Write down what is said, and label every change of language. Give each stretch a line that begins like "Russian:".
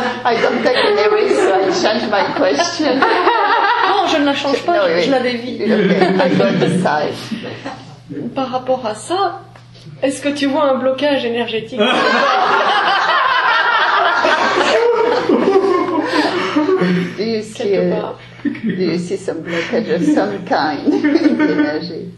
English: I don't take any risk, so I change my question.
French: Non, je ne la change pas, no, je la dévie.
English: Okay, I got the size.
French: Par rapport à ça, est-ce que tu vois un blocage énergétique?
English: Do you see some blockage of some kind in energy?